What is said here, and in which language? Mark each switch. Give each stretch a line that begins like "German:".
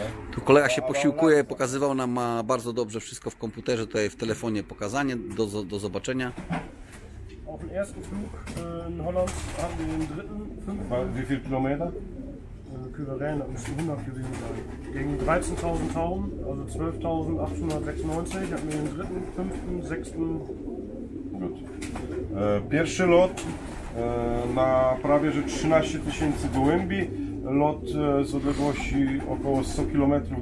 Polish: Tu kolega się posiłkuje, pokazywał nam, ma bardzo dobrze wszystko w komputerze, tutaj w telefonie pokazanie, do zobaczenia.
German: Auf dem ersten Flug in Holland haben wir den dritten, fünften. Wie viele Kilometer? Kyberäne, das müssen 100 gewesen sein. Gegen 13.000 Tauben, also 12.896, hatten wir den dritten, fünften, sechsten. Gut.
Polish: Pierwszy lot na prawie że 13.000 gołębi. Lot z odległości około 100 km.